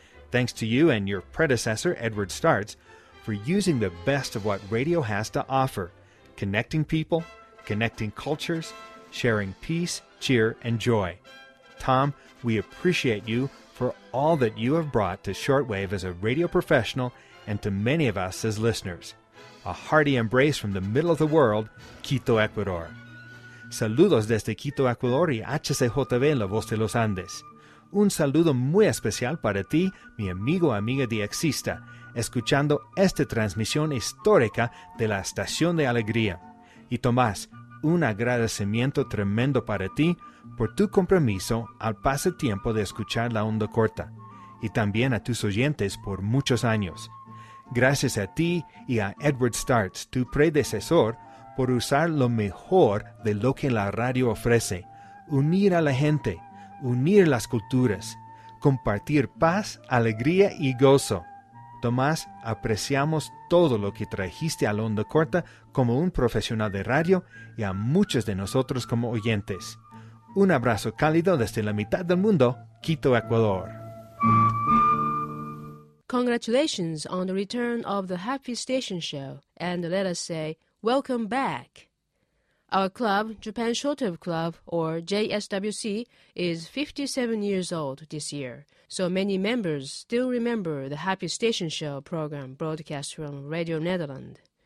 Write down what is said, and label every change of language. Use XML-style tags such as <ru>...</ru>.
<en>Thanks to you and your predecessor, Edward Starts, for using the best of what radio has to offer, connecting people, connecting cultures, sharing peace, cheer, and joy. Tom, we appreciate you for all that you have brought to shortwave as a radio professional and to many of us as listeners. A hearty embrace from the middle of the world, Quito, Ecuador.</en> <es>Saludos desde Quito, Ecuador y HCJB en la voz de los Andes. Un saludo muy especial para ti, mi amigo amiga DXista, escuchando esta transmisión histórica de la Estación de Alegría. Y Tomás, un agradecimiento tremendo para ti por tu compromiso al paso tiempo de escuchar la onda corta, y también a tus oyentes por muchos años. Gracias a ti y a Edward Starts, tu predecesor, por usar lo mejor de lo que la radio ofrece. Unir a la gente, unir las culturas, compartir paz, alegría y gozo. Tomás, apreciamos todo lo que trajiste a la onda corta como un profesional de radio y a muchos de nosotros como oyentes. Un abrazo cálido desde la mitad del mundo, Quito, Ecuador.</es> <en>Congratulations on the return of the Happy Station Show, and let us say, welcome back. Our club, Japan Shortwave Club, or JSWC, is 57 years old this year, so many members still remember the Happy Station Show program broadcast from Radio Nederland.</en>